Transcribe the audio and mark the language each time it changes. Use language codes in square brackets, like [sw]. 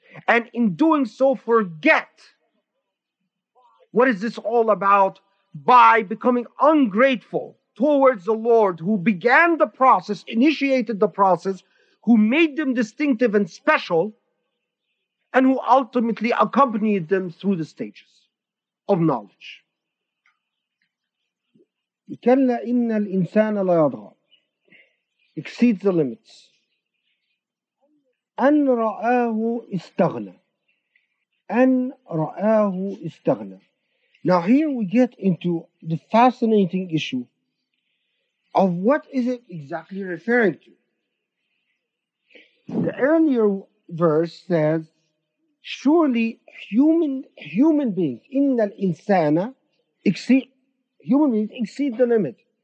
[en] And in doing so, forget what is this all about by becoming ungrateful towards the Lord who began the process, initiated the process, who made them distinctive and special, and who ultimately accompanied them through the stages of knowledge. [ar] كلا إن الإنسان لا يضغى [en] exceeds the limits [ar] أن رآه استغنى أن رآه استغنى. [en] Now here we get into the fascinating issue of what is it exactly referring to. The earlier verse says surely human beings [ar] إن الإنسان [en] exceed human beings exceed the limit.